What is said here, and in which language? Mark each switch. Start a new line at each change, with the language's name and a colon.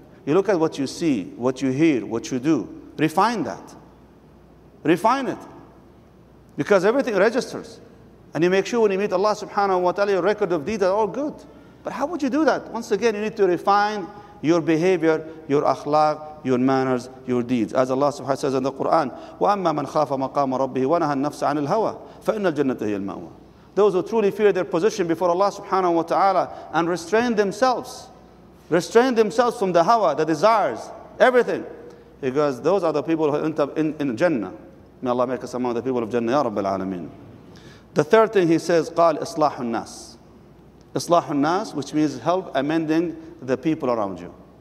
English: You look at what you see, what you hear, what you do. Refine that. Refine it. Because everything registers. And you make sure when you meet Allah subhanahu wa ta'ala, your record of deeds are all good. But how would you do that? Once again, you need to refine your behavior, your akhlaq, your manners, your deeds.
Arabic: As Allah subhanahu wa ta'ala says in the Quran, وَأَمَّا مَنْ خَافَ مَقَامَ رَبِّهِ وَنَهَى النَّفْسَ عَنِ الْهَوَى فَإِنَّ الْجَنَّةَ هِيَ الْمَأْوَى.
English: Those who truly fear their position before Allah subhanahu wa ta'ala and restrain themselves from the hawa, the desires, everything. Because those are the people who end up in Jannah. May Allah make us among the people of Jannah, Ya Rabbil Alameen. The third thing he says, qal islahun nas. Islahun nas, which means help amending the people around you.